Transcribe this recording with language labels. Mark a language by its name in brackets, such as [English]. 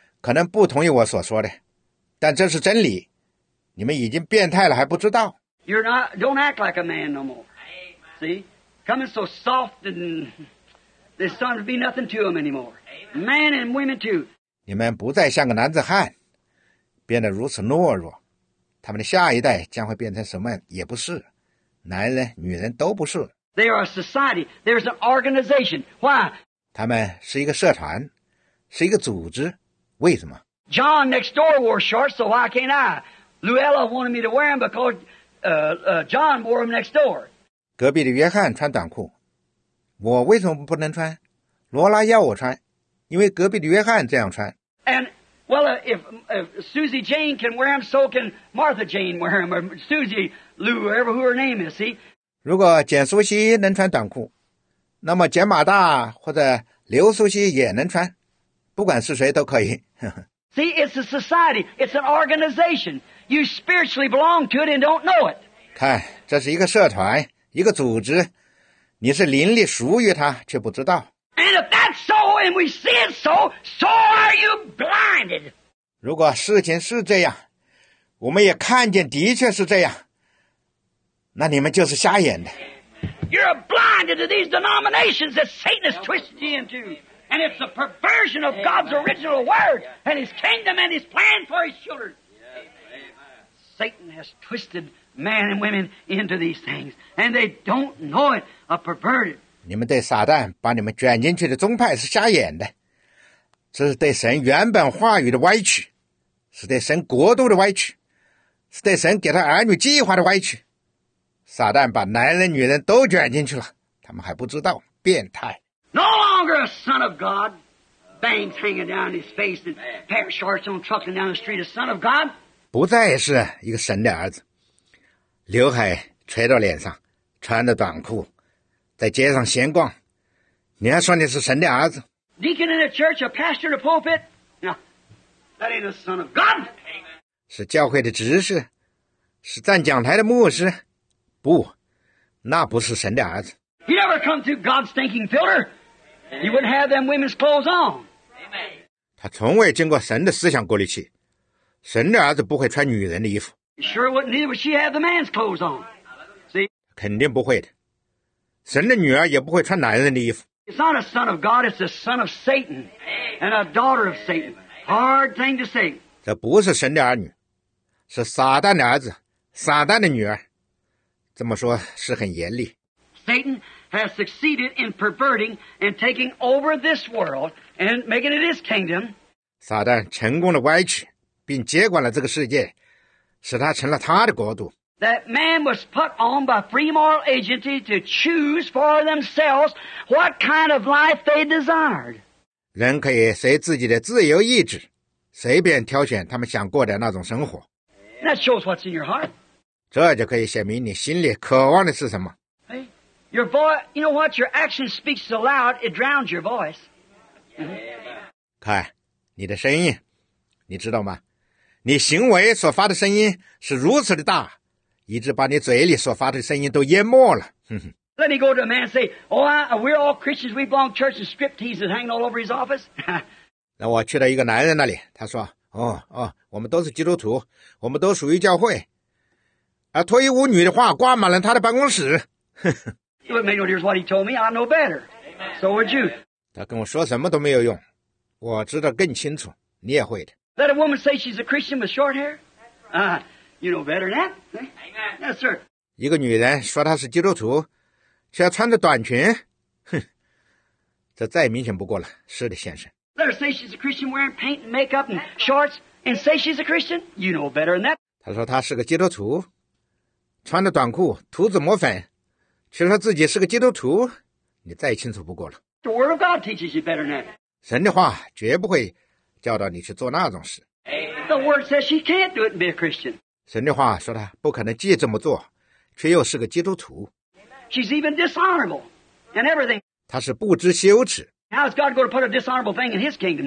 [Chinese] 可能不同意我所说的，但这是真理。你们已经变态了还不知道。 [English] You're not, don't act like a man no more. See? Coming so soft and there's starting to be nothing to them anymore. Man and women too. [Chinese] 你们不再像个男子汉，变得如此懦弱，他们的下一代将会变成什么也不是，男人女人都不是。 [English] They are a society. There's an organization. Why? [Chinese] 他们是一个社团，是一个组织，为什么？ [English] John next door wore shorts, so why can't I? Luella wanted me to wear them because John wore them next door. [Chinese] 隔壁的约翰穿短裤，我为什么不能穿？罗拉要我穿，因为隔壁的约翰这样穿。 [English] And well, if Susie Jane can wear them, so can Martha Jane wear them, or Susie Lou, whoever her name is. See. [Chinese] 如果简苏西能穿短裤，那么简马大或者刘苏西也能穿，不管是谁都可以。 [English] See, it's a society. It's an organization. You spiritually belong to it and don't know it. [Chinese] 看，这是一个社团，一个组织，你是灵力属于它，却不知道。 [English] And if that's so, and we see it so, so are you blinded. [Chinese] 如果事情是这样，我们也看见的确是这样，那你们就是瞎眼的。 [English] You're blinded to these denominations that Satan has twisted you into. And it's a perversion of God's original word and his kingdom and his plan for his children. Satan has twisted men and women into these things and they don't know it, a perverted. [Chinese] 你们对撒旦把你们卷进去的宗派是瞎眼的，这是对神原本话语的歪曲，是对神国度的歪曲，是对神给他儿女计划的歪曲。撒旦把男人女人都卷进去了，他们还不知道，变态。 [English] No longer a son of God, bangs hanging down his face and pair of shorts on trucking down the street, a son of God. [Chinese] 不再是一个神的儿子，刘海垂到脸上，穿着短裤，在街上闲逛，你还说你是神的儿子 [English] ？Deacon in a church, a pastor in a pulpit, no, that ain't a son of God. [Chinese] 是教会的执事，是站讲台的牧师。不，那不是神的儿子。 [English] He never come through God's thinking filter. He wouldn't have them women's clothes on. [Chinese] 他从未经过神的思想过滤器，神的儿子不会穿女人的衣服。 [English] Sure wouldn't either, but she had the man's clothes on. See? [Chinese] 肯定不会的，神的女儿也不会穿男人的衣服。 [English] It's not a son of God. It's a son of Satan and a daughter of Satan. Hard thing to say. [Chinese] 这不是神的儿女，是撒旦的儿子，撒旦的女儿。这么说是很严厉。 [English] Satan has succeeded in perverting and taking over this world and making it his kingdom. [Chinese] 撒旦成功的歪曲并接管了这个世界，使他成了他的国度。 [English] That man was put on by free moral agency to choose for themselves what kind of life they desired. [Chinese] 人可以随自己的自由意志随便挑选他们想过的那种生活。 [English] That shows what's in your heart. [Chinese] 这就可以显明你心里渴望的是什么。 [English] Hey, your voice, you know what? Your action speaks so loud, it drowns your voice. [Chinese] Mm-hmm. 看，你的声音，你知道吗？你行为所发的声音是如此的大，以致把你嘴里所发的声音都淹没了。 [English] Let me go to a man and say, oh, we're all Christians, we belong to church, and striptease is hanging all over his office. [Chinese] 那我去到一个男人那里，他说，哦，我们都是基督徒，我们都属于教会。而脱衣舞女的话挂满了他的办公室。 [English] It made no difference what he told me. I know better. So would you. [Chinese] 他跟我说什么都没有用，我知道更清楚，你也会的。 [English] Let a woman say she's a Christian with short hair. You know better than that. Yes, sir. [Chinese] 一个女人说她是基督徒，却穿着短裙，哼，这再明显不过了。是的，先生。 [English] Let her say she's a Christian wearing paint and makeup and shorts and say she's a Christian. You know better than that. [Chinese] 他说她是个基督徒。穿着短裤涂脂抹粉却说自己是个基督徒，你再清楚不过了。 [English] The word of God teaches you better than that. [Chinese] 神的话绝不会教导你去做那种事。 [English] The word says she can't do it and be a Christian. [Chinese] 神的话说她不可能既这么做却又是个基督徒。 [English] She's even dishonorable and everything. [Chinese] 她是不知羞耻。 [English] How is God going to put a dishonorable thing in his kingdom?